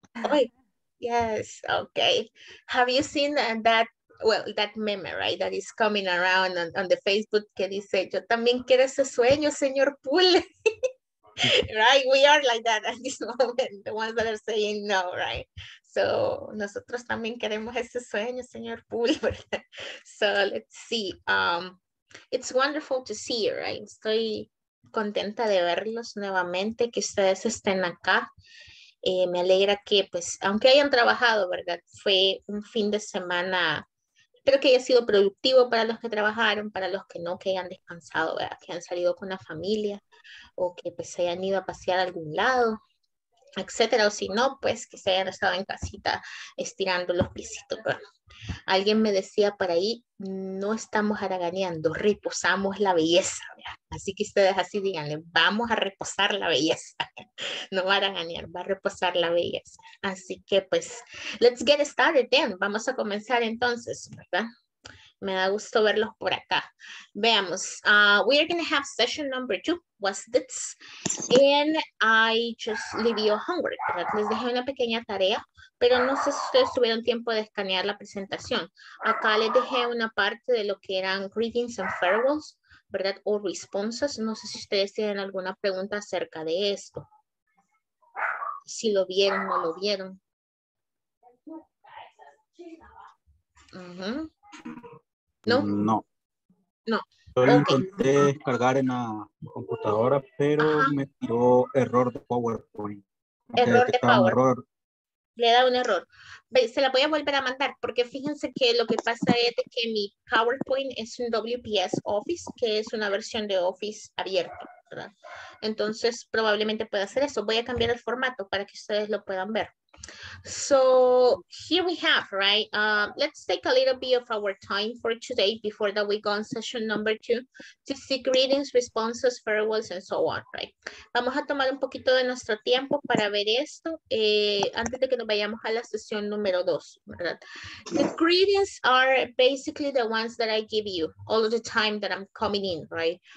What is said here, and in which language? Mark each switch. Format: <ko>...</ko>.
<en>Wait. Yes, okay. Have you seen that, well, that meme, right, that is coming around on the Facebook que dice,</en> <es>yo también quiero ese sueño, señor Poole.</es> <en>Right, we are like that at this moment, the ones that are saying no, right?</en> <es>So, nosotros también queremos ese sueño, señor Poole,</es> <en>so let's see. It's wonderful to see you, right?</en> <es>Estoy contenta de verlos nuevamente, que ustedes estén acá. Me alegra que, pues, aunque hayan trabajado, ¿verdad? Fue un fin de semana, creo que haya sido productivo para los que trabajaron, para los que no, que hayan descansado, ¿verdad? Que han salido con la familia, o que, pues, se hayan ido a pasear a algún lado, etcétera. O si no, pues, que se hayan estado en casita estirando los pisitos, ¿verdad? Alguien me decía por ahí, no estamos haraganeando, reposamos la belleza, ¿verdad? Así que ustedes así díganle, vamos a reposar la belleza, no va a haraganear, va a reposar la belleza. Así que pues,</es> <en>let's get started then,</en> <es>vamos a comenzar entonces, ¿verdad? Me da gusto verlos por acá.</es> <en>Veamos, we are going to have session number 2, what's this? And I just leave you a homework, ¿verdad?</en> <es>Les dejé una pequeña tarea, pero no sé si ustedes tuvieron tiempo de escanear la presentación. Acá les dejé una parte de lo que eran</es> <en>greetings and farewells,</en> <es>¿verdad? O responses, no sé si ustedes tienen alguna pregunta acerca de esto. Si lo vieron o no lo vieron. ¿No? No. No. Yo lo intenté descargar en la computadora, pero me dio error de PowerPoint. Error de PowerPoint. Le da un error. Se la voy a volver a mandar, porque fíjense que lo que pasa es que mi PowerPoint es un WPS Office, que es una versión de Office abierto, ¿verdad? Entonces, probablemente pueda hacer eso. Voy a cambiar el formato para que ustedes lo puedan ver.</es> <en>So here we have, right? Let's take a little bit of our time for today before that we go on session number 2 to see greetings, responses, farewells, and so on, right?</en> <es>Vamos a tomar un poquito de nuestro tiempo para ver esto antes de que nos vayamos a la sesión número 2, ¿verdad?</es> <en>The greetings are basically the ones that I give you all the time that I'm coming in, right?</en>